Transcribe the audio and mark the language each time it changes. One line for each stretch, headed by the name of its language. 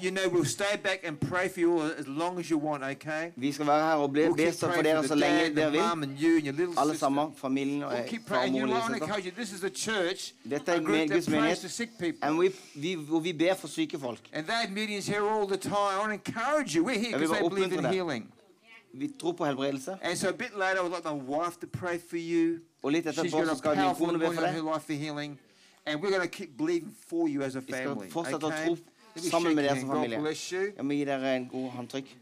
English: You know, we'll stay back and pray for you all as long as you want, okay?
Norwegian: Vi skal være her og bli bedre for dere så lenge dere vil.
English: Mom and you and your little
Norwegian: Alle sammen, familien og
English: keep praying. You know, this is a church.
Norwegian: Dette Guds menighet.
English: And we
Norwegian: ber for syke folk.
English: And that meeting is here all the time. I want to encourage you. We're here because I believe in healing.
Norwegian: Vi tror på helbredelse.
English: And so a bit later, I would like my wife to pray for you.
Norwegian: Og litt etter
English: She's going to have a powerful morning on her life for healing. And we're going to keep believing for you as a family.
Norwegian: Vi skal fortsette å tro sammen med dere som familie.
English: God bless you.
Norwegian: Jeg må gi dere en god håndtrykk.